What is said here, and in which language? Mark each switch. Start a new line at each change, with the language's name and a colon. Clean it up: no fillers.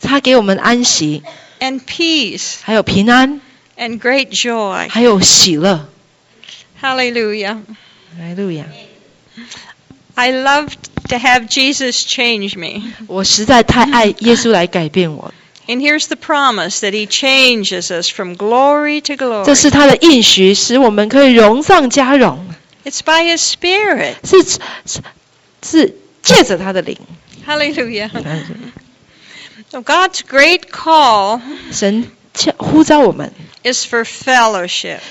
Chinese: 他给我们安息。
English: And peace.
Chinese: 还有平安。
English: And great joy.
Chinese: 还有喜乐。
English: Hallelujah. Hallelujah. I love to have Jesus change me.
Chinese: 我实在太爱耶稣来改变我。
English: And here's the promise that He changes us from glory to glory.
Chinese: 这是他的应许，使我们可以荣上加荣。
English: It's by His Spirit.
Chinese: 是借着他的灵。
English: Hallelujah. So God's great call.
Chinese: 神呼召我们。
English: Is for fellowship.